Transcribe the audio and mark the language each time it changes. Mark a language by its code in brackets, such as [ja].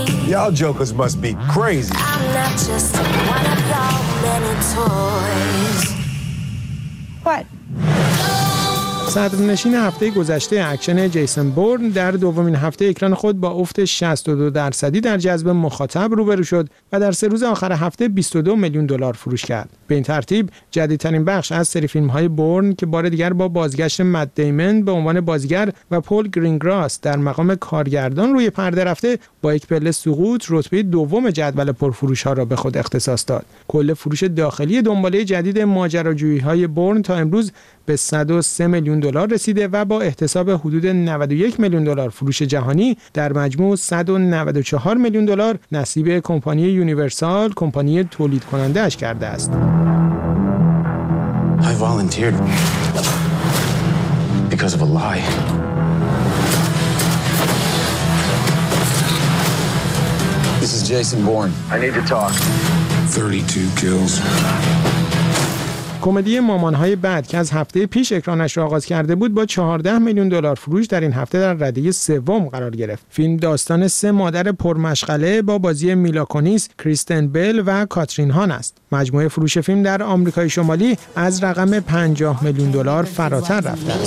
[en] Y'all jokers must be crazy. I'm not just one of y'all many toys. What? [fa] صدرنشین هفته گذشته اکشن جیسون بورن در دومین هفته اکران خود با افت 62% در جذب مخاطب روبرو شد و در سه روز آخر هفته 22 میلیون دلار فروش کرد. به این ترتیب جدیدترین بخش از سری فیلم‌های بورن که بار دیگر با بازگشت مت دیمن به عنوان بازیگر و پول گرینگراس در مقام کارگردان روی پرده رفته با یک پله سقوط رتبه دوم جدول پرفروش‌ها را به خود اختصاص داد. کل فروش داخلی دنباله جدید ماجراجویی‌های بورن تا امروز به 103 میلیون دلار رسیده و با احتساب حدود 91 میلیون دلار فروش جهانی در مجموع 194 میلیون دلار نصیب کمپانی یونیورسال کمپانی تولید کننده اش کرده است. [en] I volunteered because of a lie. This is Jason Bourne. I need to talk. 32 kills. [fa] کمدی مامان‌های بد که از هفته پیش اکرانش را آغاز کرده بود با 14 میلیون دلار فروش در این هفته در رده سوم قرار گرفت. فیلم داستان سه مادر پرمشغله با بازی میلا کونیس، کریستن بیل و کاترین هان است. مجموعه فروش فیلم در آمریکای شمالی از رقم 50 میلیون دلار فراتر رفت.